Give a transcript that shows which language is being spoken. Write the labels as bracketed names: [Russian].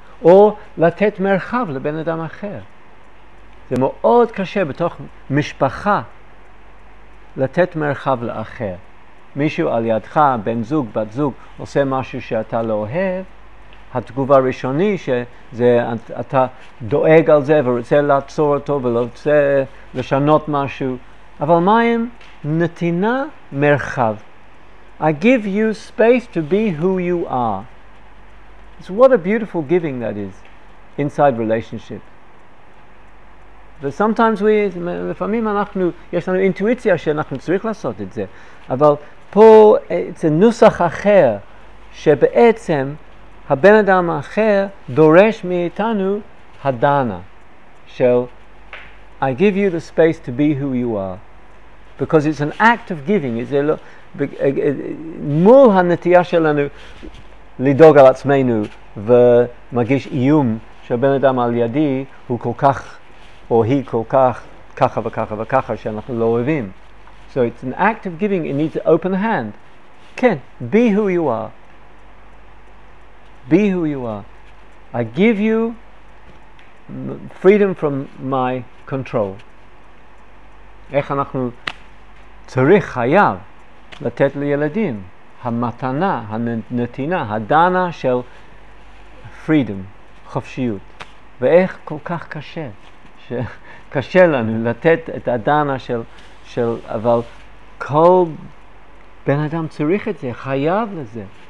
[Hebrew] או לתת מרחב לבן אדם אחר. זה מאוד קשה בתוך משפחה לתת מרחב לאחר. מישהו על ידך, בן זוג, בת זוג, עושה משהו שאתה לא אוהב, התגובה הראשוני שזה אתה דואג על זה ורוצה לעצור אותו ורוצה לשנות משהו. אבל מה עם נתינה מרחב? [English] I give you space to be who you are. So what a beautiful giving that is inside relationship. But sometimes we, [Hebrew] לפעמים אנחנו, יש לנו אינטואיציה שאנחנו צריך לעשות את זה. אבל פה זה נוסח אחר שבעצם הבן אדם האחר דורש מאיתנו הדנה של [English] I give you the space to be who you are. Because it's an act of giving. It's a [Hebrew] מול הנטייה שלנו לדאוג על עצמנו ומגיש איום שהבן אדם על ידי הוא כל כך או היא כל כך ככה וככה וככה שאנחנו לא אוהבים. [English] So it's an act of giving. It needs an open hand. [Hebrew] כן, [English] be who you are. Be who you are. I give you freedom from my control. [Hebrew] איך אנחנו צריך חייב לתת לילדים המתנה, הנתינה, הדנה של freedom, חופשיות. ואיך כל כך קשה, שקשה לנו לתת את הדנה של, של, אבל כל בן אדם צריך את זה, חייב לזה.